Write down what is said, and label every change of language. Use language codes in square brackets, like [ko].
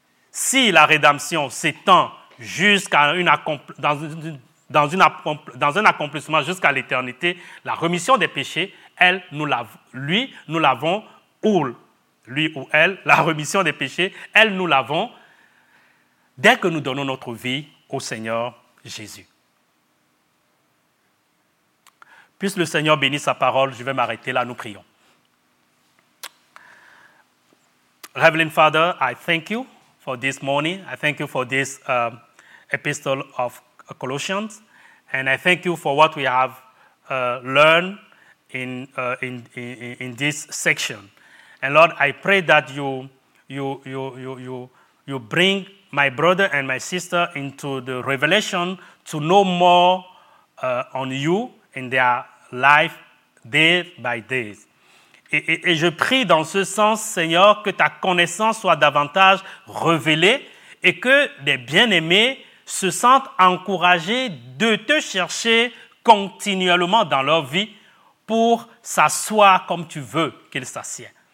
[fr] Si la rédemption s'étend jusqu'à un accomplissement jusqu'à l'éternité, la remission des péchés, nous l'avons dès que nous donnons notre vie au Seigneur Jésus. Puisse le Seigneur bénir sa parole, je vais m'arrêter là, nous prions. [en] Reverend Father, I thank you for this morning. I thank you for this epistle of Colossians. And I thank you for what we have learned in this section. And Lord, I pray that you bring my brother and my sister into the revelation to know more on you in their life day by day. [fr] Et je prie dans ce sens, Seigneur, que ta connaissance soit davantage révélée et que les bien-aimés se sentent encouragés de te chercher continuellement dans leur vie pour s'asseoir comme tu veux qu'ils s'assiedent.